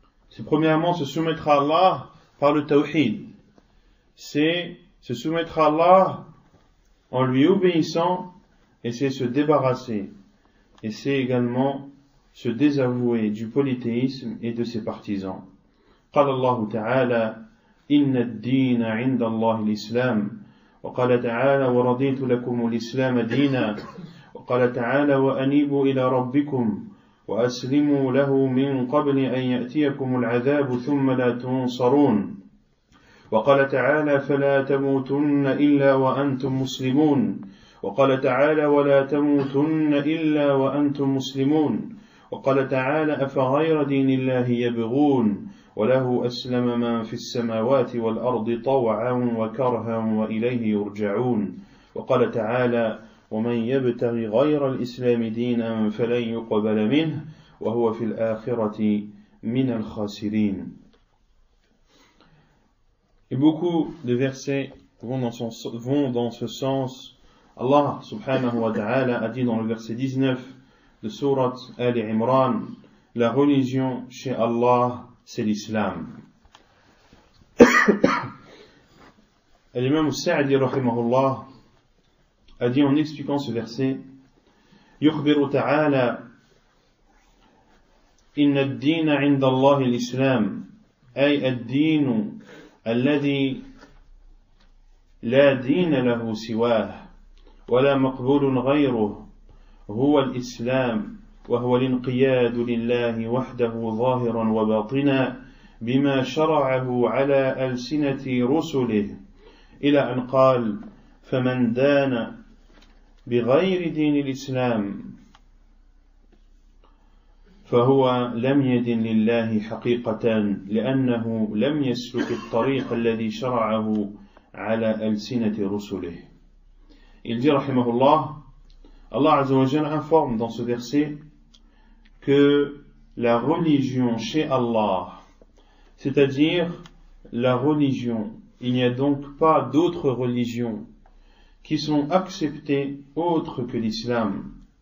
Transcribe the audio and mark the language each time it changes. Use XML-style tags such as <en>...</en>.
<fr>C'est premièrement se soumettre à Allah par le tawhid. C'est se soumettre à Allah en lui obéissant, et c'est se débarrasser, et c'est également se désavouer du polythéisme et de ses partisans.</fr> <ar>قال الله تعالى إن الدين عند الله الإسلام وقال تعالى ورضيت لكم الإسلام دينا وقال تعالى وأنيبوا إلى ربكم وأسلموا له من قبل أن يأتيكم العذاب ثم لا تنصرون. وقال تعالى فلا تموتن إلا وأنتم مسلمون وقال تعالى ولا تموتن إلا وأنتم مسلمون وقال تعالى أفغير دين الله يبغون وله أسلم من في السماوات والأرض طوعا وكرها وإليه يرجعون وقال تعالى ومن يبتغي غير الإسلام دينا فلن يقبل منه وهو في الآخرة من الخاسرين.</ar> <fr>Et beaucoup de versets vont dans ce sens. Allah subhanahu wa ta'ala a dit dans le verset 19 de Sourate Ali Imran, la religion chez Allah, c'est l'islam. L'imam Sa'di rahimahullah a dit en expliquant ce verset,</fr> <ar>yukhbiru ta'ala inna ad-dina 'inda Allah l'islam, ay ad-dinu الذي لا دين له سواه ولا مقبول غيره هو الإسلام وهو الانقياد لله وحده ظاهرا وباطنا بما شرعه على ألسنة رسله إلى أن قال فمن دان بغير دين الإسلام فهو لم يدن لله حقيقة لأنه لم يسلك الطريق الذي شرعه على ألسنة رسله.</ar> <fr>Il dit rahimahullah, Allah Azza wa Jalla informe dans ce verset que la religion chez Allah, c'est-à-dire la religion, il n'y a donc pas d'autres religions qui sont acceptées autres que l'islam.</fr>